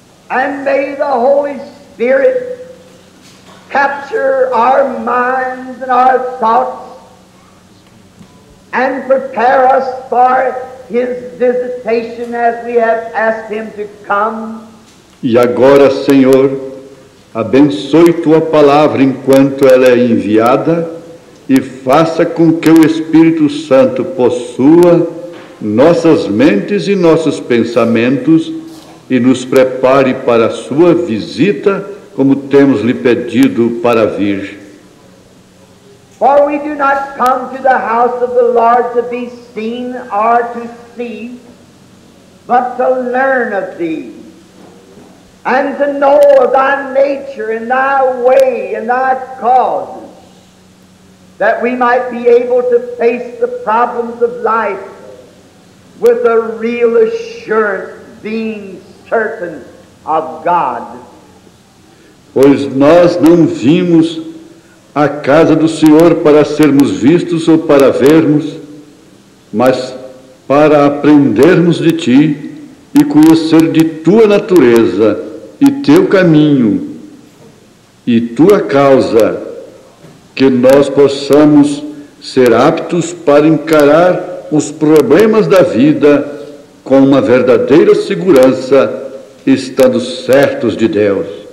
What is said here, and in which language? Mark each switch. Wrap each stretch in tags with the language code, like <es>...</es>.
<en>And may the Holy Spirit capture our minds and our thoughts and prepare us for his visitation as we have asked him to come.</en> <pt>E agora, Senhor, abençoe tua palavra enquanto ela é enviada e faça com que o Espírito Santo possua nossas mentes e nossos pensamentos e nos prepare para a sua visita, como temos lhe pedido para vir.</pt> <en>For we do not come to the house of the Lord to be seen or to see, but to learn of thee, and to know of thy nature and thy way and thy causes, that we might be able to face the problems of life with a real assurance, being certain of God.</en> <pt>Pois nós não vimos a casa do Senhor para sermos vistos ou para vermos, mas para aprendermos de ti e conhecer de tua natureza e teu caminho e tua causa, que nós possamos ser aptos para encarar os problemas da vida com uma verdadeira segurança, estando certos de Deus.</pt>